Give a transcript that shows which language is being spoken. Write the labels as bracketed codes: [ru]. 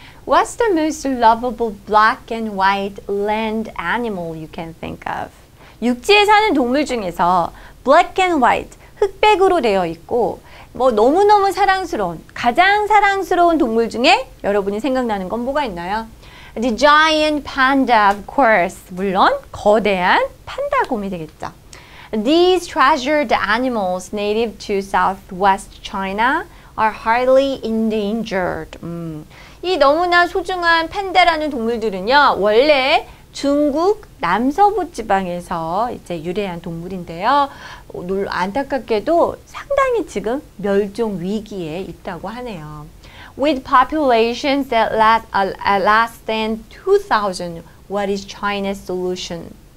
[en] What's the most lovable black and white land animal you can think of? [ko] 육지에 사는 동물 중에서 [en] black and white, [ko] 흑백으로 되어 있고 뭐 너무너무 사랑스러운, 가장 사랑스러운 동물 중에 여러분이 생각나는 건 뭐가 있나요? [en] The giant panda, of course. [ko] 물론 거대한 판다 곰이 되겠죠. [en] These treasured animals native to southwest China are highly endangered. [ko] 이 너무나 소중한 판다라는 동물들은요, 원래 중국 남서부 지방에서 이제 유래한 동물인데요. 안타깝게도 상당히 지금 멸종 위기에 있다고 하네요. [en] With populations that last than 2000, what is China's solution?